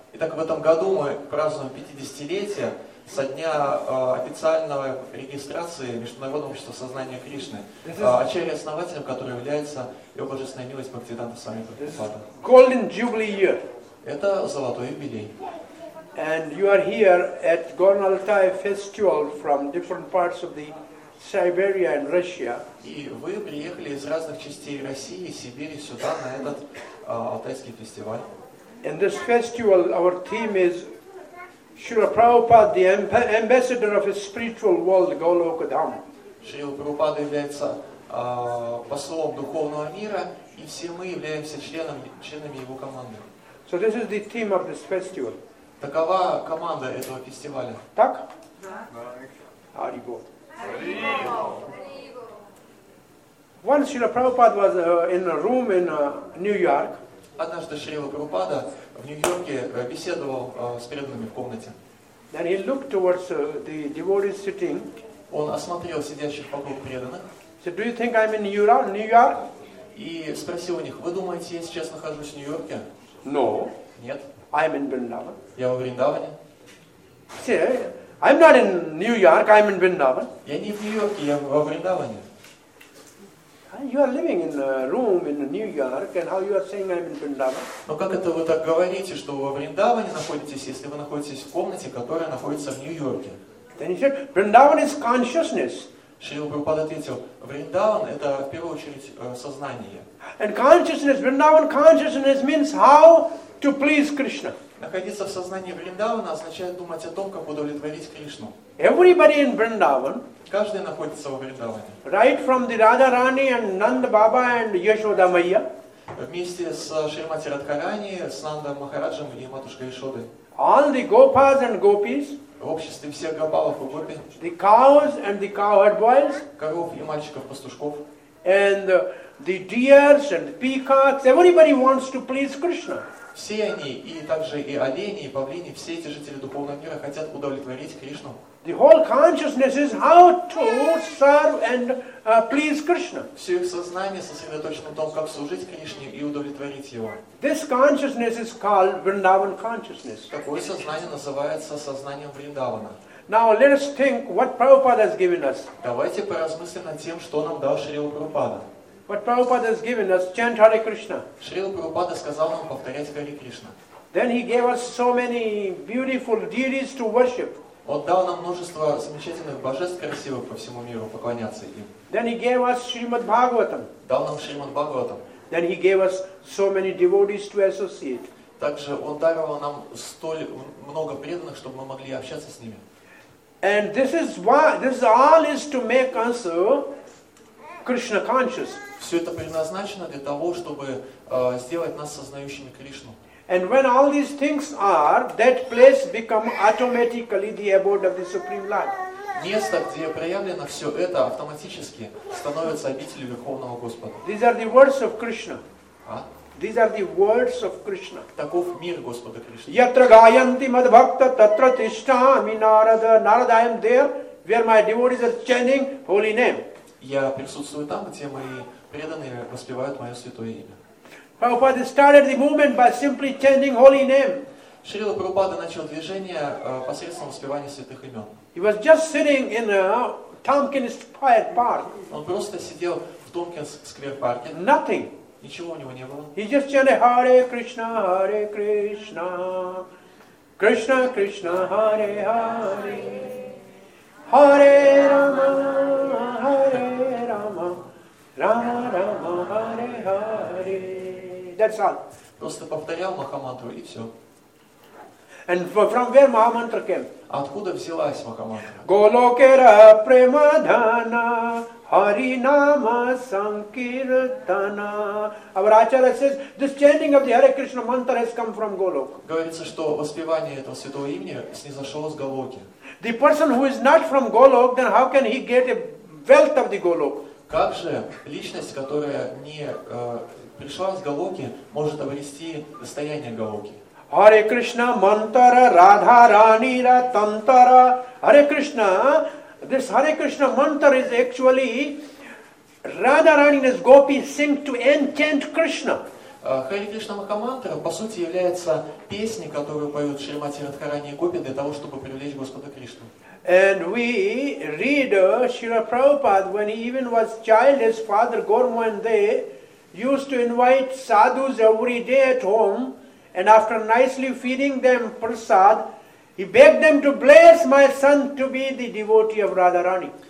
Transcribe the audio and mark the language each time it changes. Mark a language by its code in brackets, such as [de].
[ru] Итак, в этом году мы празднуем 50-летие со дня официальной регистрации Международного общества сознания Кришны, Ачарьи основателем, который является Его Божественная милость Бхактивиданта Свами Прабхупада. [en] Golden Jubilee Year. [ru] Это золотой юбилей. [en] And you are here at Gorn Altai Festival from different parts of the Siberia and Russia. [ru] И вы приехали из разных частей России, Сибири, сюда на этот алтайский фестиваль. [en] In this festival, our theme is Srila Prabhupada, the ambassador of a spiritual world, Goloka Dham. [ru] Srila Prabhupada является послом духовного мира, и все мы являемся членами его команды. [en] So this is the theme of this festival. [ru] Такова команда этого фестиваля. Так? Да. Арибо. Арибо. [en] Once Srila Prabhupada was in a room in New York. [ru] Однажды Шрила Прабхупада в Нью-Йорке беседовал с преданными в комнате. [en] Then he looked towards the devotees sitting. [ru] Он осмотрел сидящих вокруг преданных. [en] So do you think I'm in New York? [ru] И спросил у них: вы думаете, я сейчас нахожусь в Нью-Йорке? [en] No. [ru] Нет. [en] I'm in Vrindavan. [ru] Я во Вриндаване. [en] See, I'm not in New York. I'm in Vrindavan. [ru] Я не в Нью-Йорке, я во Вриндаване. [en] You are living in a room in New York, and how you are saying I'm in Vrindavan? [ru] Но как это вы так говорите, что вы во Вриндаване находитесь, если вы находитесь в комнате, которая находится в Нью-Йорке? [en] Then he said, Vrindavan is consciousness. [ru] Шрила Прабхупада ответил: Вриндаван — это, в первую очередь, сознание. [en] And consciousness, Vrindavan consciousness means how to please Krishna. [ru] Находиться в сознании Вриндавана означает думать о том, как удовлетворить Кришну. [en] Everybody in Vrindavan, [ru] каждый находится во Вриндаване. [en] Right from the Radharani and Nanda Baba and Yashoda Maya. [ru] Вместе с Шримати Радхарани, с Нанда Махараджем и матушкой Ишодой. [en] All the Gopas and Gopis. [ru] В обществе всех гопалов и гопи. [en] The cows and the cowherd boys. [ru] Коров и мальчиков-пастушков. [en] And the deers and peacocks. Everybody wants to please Krishna. [ru] Все они, и также и олени, и павлини, все эти жители духовного мира хотят удовлетворить Кришну. [en] The whole consciousness is how to serve and please Krishna. [ru] Все их сознание сосредоточено в том, как служить Кришне и удовлетворить Его. [en] This consciousness is called Vrindavan consciousness. [ru] Такое сознание называется сознанием Вриндавана. [en] Now let us think what Prabhupada has given us. [ru] Давайте поразмыслим над тем, что нам дал Шрила Прабхупада. [en] What Prabhupada has given us, chant Hare Krishna. [ru] Шрила Прабхупада сказал нам повторять Хари Кришна. [en] Then he gave us so many beautiful deities to worship. [ru] Он дал нам множество замечательных божеств красивых по всему миру поклоняться им. [en] Then he gave us Shrimad Bhagavatam. [ru] Дал нам Шримад Бхагаватам. [en] Then he gave us so many devotees to associate. [ru] Также он даровал нам столь много преданных, чтобы мы могли общаться с ними. [en] And this is why this all is to make us Krishna conscious. [ru] Все это предназначено для того, чтобы сделать нас сознающими Кришну. [en] And when all these things are, that place becomes automatically the abode of the Supreme Lord. [ru] Место, где проявлено все это, автоматически становится обителью Верховного Господа. [en] These are the words of Krishna. [ru] А? [en] These are the words of Krishna. [ru] Таков мир Господа Кришны. [sa] Yatra gayanti madbhakta tatra tishtami narada. [en] Narada, I am there, where my devotees are chanting holy name. [ru] Я присутствую там, где мои преданные воспевают мое святое имя. [en] Prabhupada started the movement by simply chanting holy name. [ru] Шрила Прабхупада начал движение посредством воспевания святых имен. [en] He was just sitting in a Tompkins Square Park. [ru] Он просто сидел в Tompkins Square Park. [en] Nothing. [ru] Ничего у него не было. [en] He just chanted [sa] Hare Krishna, Hare Krishna, Krishna Krishna, Hare Hare. Hare Rama, Hare Rama, Rama Rama, Hare Hare. [en] That's all. [ru] Просто повторял Махамантру и все. [en] And from where Махамантра came? [ru] Откуда взялась Махамантра? [bn] Голокера Премадана, Hari Nama Sankirtana. [en] Our Acharya says this chanting of the Hare Krishna mantra has come from Golok. [ru] Говорится, что воспевание этого святого имени снизошло с Голоки. [en] The person who is not from Golok, then how can he get a wealth of the Golok? [ru] Как же личность, которая не пришла с Голоки, может обрести достояние Голоки? [bn] Hare Krishna mantra Radha Rani ra tantra. [sa] Hare Krishna. [en] This Hare Krishna mantra is actually Radharani and his gopis sing to enchant Krishna. [ru] Hare Krishna Mahamantra, по сути, является песней, которую поют Шримати Радхарани и гопи для того, чтобы привлечь Господа Кришну. [en] And we read Srila Prabhupada, when he even was child, his father Gormande used to invite sadhus every day at home, and after nicely feeding them prasad, he begged them to bless my son to be the devotee of Radharani.